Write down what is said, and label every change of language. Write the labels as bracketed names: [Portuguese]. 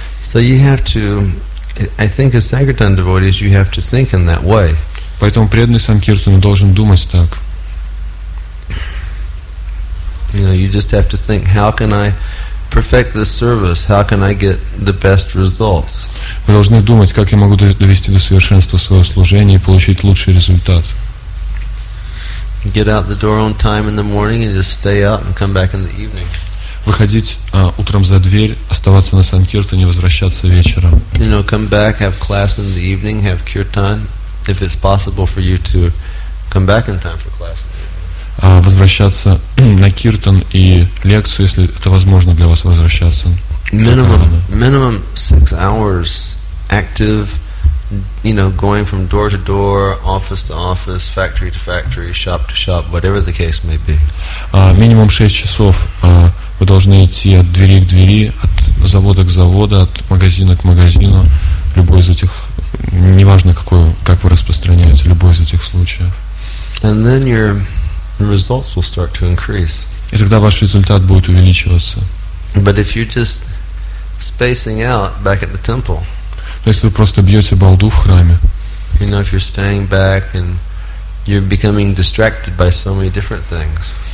[English] So you have to, I think, as sankirtan devotees, you have to think in that way. [Russian] Поэтому преданный санкиртан должен думать так. [English] You know, you just have to think, how can I perfect this service? How can I get the best results? [Russian] Вы должны думать, как я могу довести до совершенства свое служение и получить лучший результат. [English] Get out the door on time in the morning and just stay out and come back in the evening. [Russian] Выходить утром за дверь, оставаться на санкиртане, возвращаться вечером. [English] You know, come back, have class in the evening, have kirtan, if it's possible for you to come back in time for class. [Russian] Возвращаться на киртан и лекцию, если это возможно для вас возвращаться. [English] Minimum 6 hours active. You know, going from door to door, office to office, factory to factory, shop to shop, whatever the case may be. [Russian] Минимум 6 часов вы должны идти от двери к двери, от завода к заводу, от магазина к магазину, любой из этих, неважно какой, как вы распространяете, любой из этих случаев. [English] And then your results will start to increase. [Russian] И тогда ваш результат будет увеличиваться. [English] But if you're just spacing out back at the temple. [Russian] Но если вы просто бьете балду в храме, [English] you know, if you're staying back and you're becoming distracted by so many different things,